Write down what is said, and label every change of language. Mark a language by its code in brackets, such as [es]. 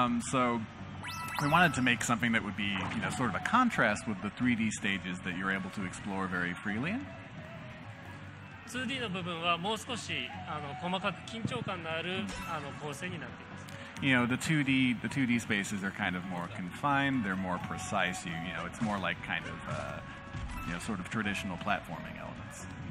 [en] So we wanted to make something that would be, you know, sort of a contrast with the 3D stages that you're able to explore very freely in. [ja] 2D の部分はもう少し細かく緊張感のある構成になっています。 [en] You know, the 2D spaces are kind of more confined, they're more precise, you know, it's more like kind of you know, sort of traditional platforming elements.